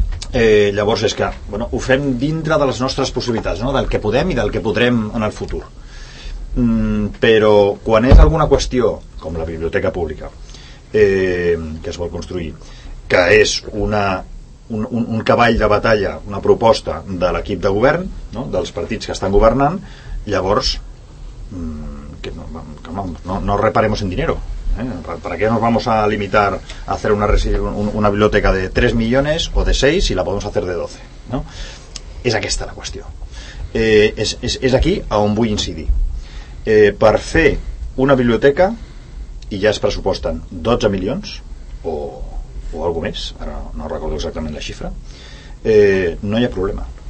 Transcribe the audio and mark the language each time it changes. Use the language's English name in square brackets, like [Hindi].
[Catalan] Llavors és que, bueno, ho fem dintre de les nostres possibilitats, no? Del que podem i del que podrem en el futur. Però quan és alguna qüestió, com la biblioteca pública, que es vol construir, que és un cavall de batalla, una proposta de l'equip de govern, no? Dels partits que estan governant, llavors [Spanish] que no reparemos en dinero, ¿para qué nos vamos a limitar a hacer una biblioteca de 3 millones o de 6 si la podemos hacer de 12, ¿no? [Catalan] És aquesta la qüestió, és aquí on vull incidir. Per fer una biblioteca, i ja es pressuposten 12 milions o alguna més, ara no recordo exactament la xifra, no hi ha problema,